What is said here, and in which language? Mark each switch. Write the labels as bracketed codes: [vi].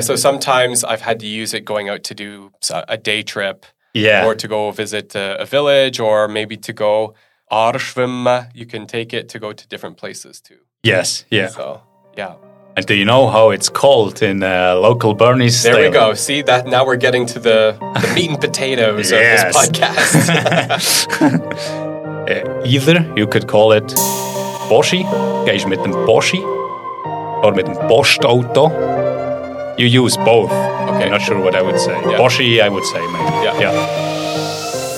[en] So sometimes I've had to use it going out to do a day trip or to go visit a village or maybe to go Arschwimmen. You can take it to go to different places too. Yes. Yeah. So, yeah. And do you know how it's called in local Bernese style? There we go. See, that now we're getting to the meat and potatoes of this podcast. either you could call it Boschi, [de] gehst mit dem Boschi, [en] or [de] mit dem Postauto. [en] You use both. Okay. I'm not sure what I would say. Yeah. Boschi, I would say, maybe. Yeah.